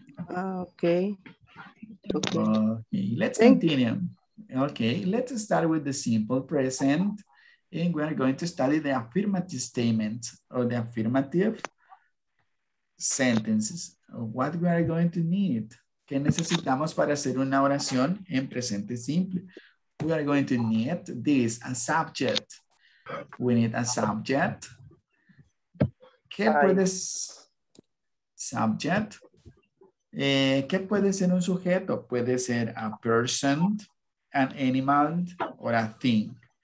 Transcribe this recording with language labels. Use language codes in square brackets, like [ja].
[en] Okay. Let's continue. Okay, let's start with the simple present. And we're going to study the affirmative statements or the affirmative sentences. What we are going to need? [es] ¿Qué necesitamos para hacer una oración en presente simple? [en] We are going to need this, a subject. We need a subject. [es] ¿Qué puede ser? [en] Subject. [es] ¿Qué puede ser un sujeto? Puede ser [en] a person, an animal, or a thing.